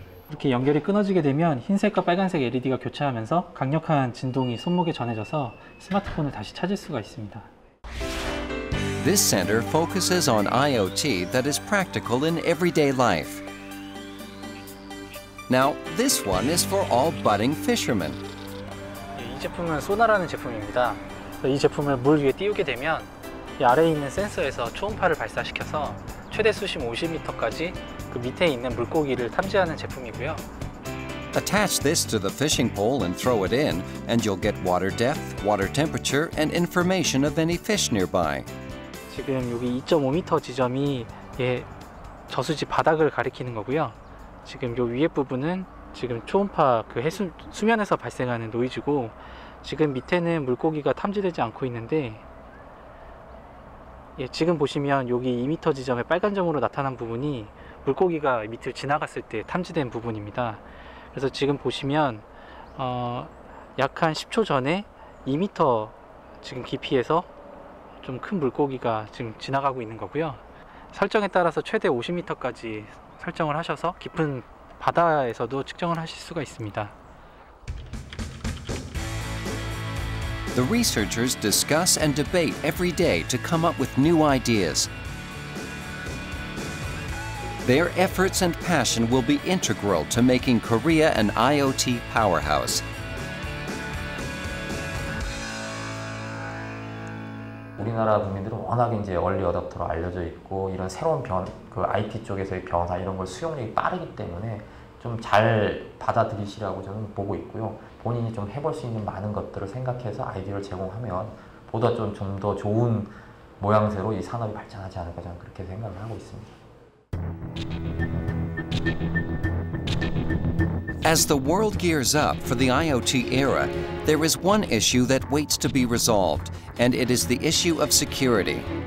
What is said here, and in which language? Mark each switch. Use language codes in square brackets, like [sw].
[ko] 이렇게 연결이 끊어지게 되면 흰색과 빨간색 LED가 교차하면서 강력한 진동이 손목에 전해져서 스마트폰을 다시 찾을 수가 있습니다. [en] This center focuses on IoT that is practical in everyday life. Now, this one is for all budding fishermen. [ko] 이 제품은 소나라는 제품입니다. 이 제품을 물 위에 띄우게 되면 이 아래에 있는 센서에서 초음파를 발사시켜서 최대 수심 50m까지 그 밑에 있는 물고기를 탐지하는 제품이고요. [en] Attach this to the fishing pole and throw it in, and you'll get water depth, water temperature, and information of any fish nearby. [ko] 지금 여기 2.5m 지점이 예, 저수지 바닥을 가리키는 거고요. 지금 요 위에 부분은 지금 초음파 그 해수 수면에서 발생하는 노이즈고 지금 밑에는 물고기가 탐지되지 않고 있는데 예, 지금 보시면 여기 2m 지점에 빨간 점으로 나타난 부분이 물고기가 밑을 지나갔을 때 탐지된 부분입니다. 그래서 지금 보시면 약 한 10초 전에 2m 지금 깊이에서 좀 큰 물고기가 지금 지나가고 있는 거고요. 설정에 따라서 최대 50m까지 설정을 하셔서 깊은 바다에서도 측정을 하실 수가 있습니다. [en] The researchers discuss and debate every day to come up with new ideas. Their efforts and passion will be integral to making Korea an IoT powerhouse. [ko] 우리나라 국민들은 워낙 이제 얼리 어답터로 알려져 있고 이런 새로운 변, 그 IT 쪽에서의 변화 이런 걸 수용력이 빠르기 때문에 좀 잘 받아들이시라고 저는 보고 있고요. 본인이 좀 해볼 수 있는 많은 것들을 생각해서 아이디어를 제공하면 보다 좀 더 좋은 모양새로 이 산업이 발전하지 않을까 저는 그렇게 생각을 하고 있습니다. [en] As the world gears up for the IoT era, there is one issue that waits to be resolved, and it is the issue of security.